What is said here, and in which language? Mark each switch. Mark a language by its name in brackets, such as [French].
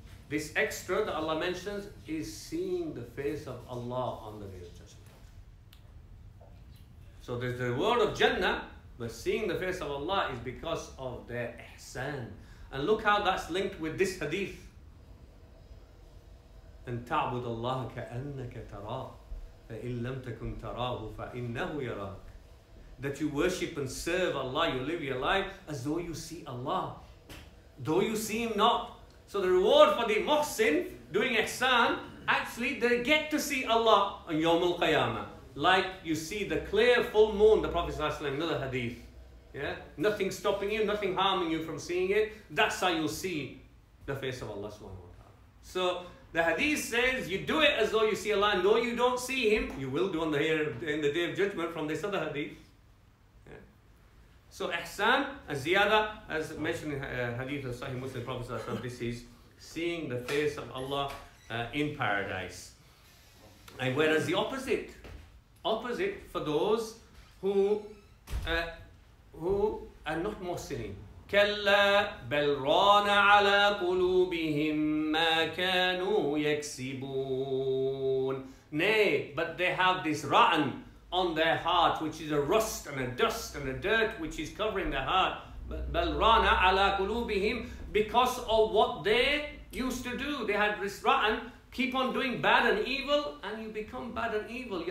[English] This extra that Allah mentions is seeing the face of Allah on the Day of Judgment. So there's the reward of Jannah, but seeing the face of Allah is because of their ihsan. And look how that's linked with this hadith. [Arabic] أن تعبد الله كأنك تراه فإن لم تكن تراه فإنه يراك. [English] That you worship and serve Allah, you live your life as though you see Allah. Though you see Him not. So the reward for the muhsin doing ihsan, actually they get to see Allah on Yawm al-Qiyamah. Like you see the clear full moon, the Prophet ﷺ, another hadith. Yeah? Nothing stopping you, nothing harming you from seeing it. That's how you'll see the face of Allah subhanahu wa ta'ala. So the hadith says you do it as though you see Allah, and though you don't see Him, you will do on the here in the Day of Judgment from this other hadith. So ihsan, ziyada, as mentioned in Hadith of Sahih Muslim, Prophet Sallallahu Alaihi Wasallam, this is seeing the face of Allah in paradise. And whereas the opposite for those who are not muhsinin, [Arabic] كلا بل ران على قلوبهم ما كانوا يكسبون. [English] Nay, but they have this ra'an on their heart, which is a rust and a dust and a dirt which is covering their heart. [Arabic] بل ران على قلوبهم, [English] because of what they used to do. They had this ra'an, keep on doing bad and evil, and you become bad and evil.